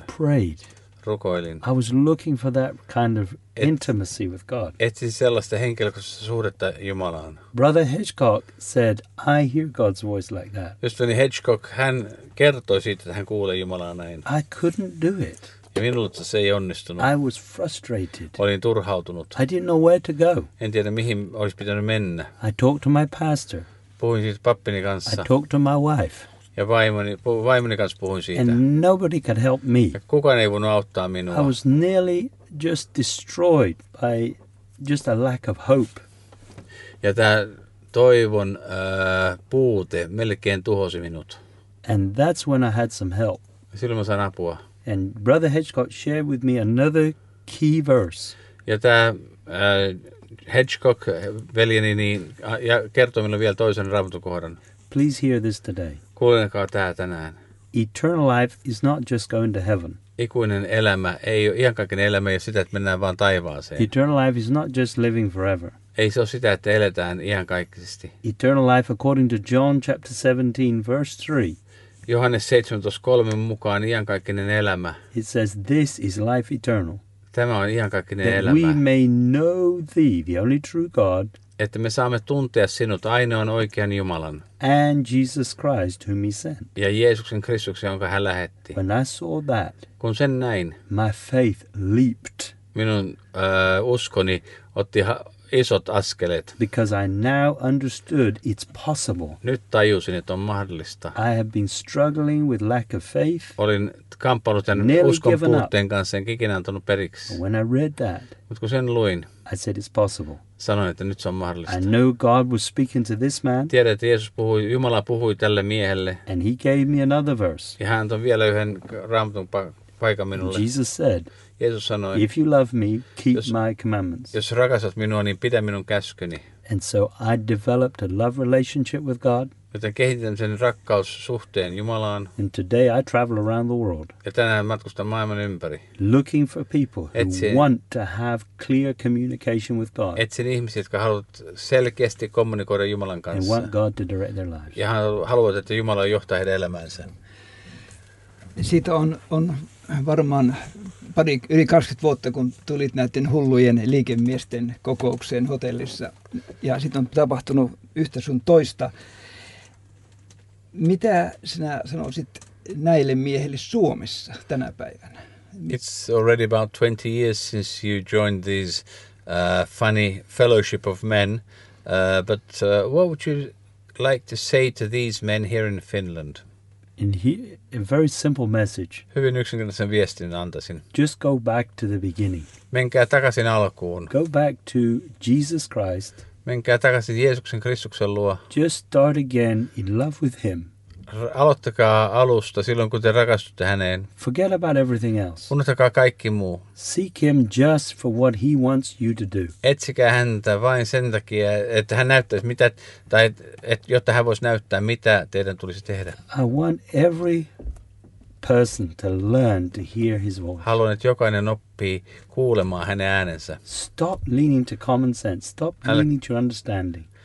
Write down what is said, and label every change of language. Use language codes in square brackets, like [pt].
[en] I prayed. [fi] Rukoilin. [en] I was looking for that kind of intimacy with God. [fi] Etsin sellaista henkilökohtaista suhdetta Jumalaan. [en] Brother Hitchcock said, "I hear God's voice like that." [fi] Ystäväni Hitchcock, hän kertoi siitä, että hän kuulee Jumalaa näin. [en] I couldn't do it. [fi] Ja minulta se ei onnistunut. [en] I was frustrated. [fi] Olin turhautunut. [en] I didn't know where to go. [fi] En tiedä, mihin olisi pitänyt mennä. [en] I talked to my pastor. [fi] Puhuin siitä pappini kanssa. [en] I talked to my wife. [fi] Ja vaimoni kanssa puhuin siitä. [en] And nobody could help me. [fi] Ja kukaan ei voinut auttaa minua. [en] I was nearly just destroyed by just a lack of hope. [fi] Ja tämä toivon puute melkein tuhosi minut. [en] And that's when I had some help. [fi] Silloin mä sain apua. [en] And Brother Hitchcock shared with me another key verse. [fi] Ja tämä Hitchcock, veljeni, niin, ja kertoi minulle vielä toisen raamatukohdan. [en] Please hear this today. [fi] Kuulkaa tämä tänään. [en] Eternal life is not just going to heaven. [fi] Ikuinen elämä ei ole iankaikkinen elämä ja sitä, että mennään vaan taivaaseen. [en] Eternal life is not just living forever. [fi] Ei se ole sitä, että eletään iankaikkisesti. [en] Eternal life according to John chapter 17 verse 3. [fi] Johannes 17:3 mukaan iankaikkinen elämä. [en] It says this is life eternal. [fi] Tämä on iankaikkinen [en] that [fi] elämä. [en] We may know thee, the only true God. [fi] Että me saamme tuntea sinut ainoan oikean Jumalan. [en] And Jesus Christ whom he sent. [fi] Ja Jeesuksen Kristuksen, jonka hän lähetti. [en] When I saw that. [fi] Kun sen näin. [en] My faith leaped. [fi] Minun uskoni otti isot askeleet. [en] Because I now understood it's possible. [fi] Nyt tajusin, että on mahdollista. [en] I have been struggling with lack of faith. [fi] Olin kamppailut tämän uskon puutteen kanssa, enkä ikinä antanut periksi. [en] When I read that. [fi] Mut kun sen luin. [en] I said it's possible. [fi] Sanoin, että nyt se on mahdollista. [en] I know God was speaking to this man. [fi] Tiedän, että Jeesus puhui, Jumala puhui tälle miehelle. [en] And he gave me another verse. [fi] Ja hän antoi vielä yhden raamatun paikan minulle. [en] Jesus said, [fi] Jeesus sanoi, [en] if you love me, keep my commandments. [fi] Jos rakastat minua, niin pidä minun käskyni. [en] And so I developed a love relationship with God. [fi] Joten kehitin sen rakkaussuhteen Jumalaan. [en] And today I travel around the world. [fi] Ja tänään matkustan maailman ympäri. [en] Looking for people who want to have clear communication with God. [fi] Etsin ihmisiä, jotka haluavat selkeästi kommunikoida Jumalan kanssa. [en] And want God to direct their lives. [fi] Ja haluavat, että Jumala johtaa heidän elämäänsä. Siitä on varmaan yli 20 vuotta, kun tulit näiden hullujen liikemiesten kokoukseen hotellissa. Ja sitten on tapahtunut yhtä sun toista. Mitä sinä sanoisit näille miehille Suomessa tänä päivänä? [en] It's already about 20 years since you joined these funny fellowship of men. What would you like to say to these men here in Finland? A very simple message. [fi] Hyvin yksinkertaisen viestin antaisin. [en] Just go back to the beginning. [fi] Menkää takaisin alkuun. [en] Go back to Jesus Christ. [fi] Menkää takaisin Jeesuksen Kristuksen luo. [en] Just start again in love with him. [fi] Aloittakaa alusta silloin, kun te rakastutte häneen. [en] Forget about everything else. [fi] Unohtakaa kaikki muu. [en] Seek him just for what he wants you to do. [fi] Etsikää häntä vain sen takia, että hän näyttäisi mitä, tai jotta hän voisi näyttää, mitä teidän tulisi tehdä. [en] I want every person to learn to hear his voice. [fi] Haluan, että jokainen oppii kuulemaan hänen äänensä. [en] Stop leaning to common sense. Stop leaning to understanding.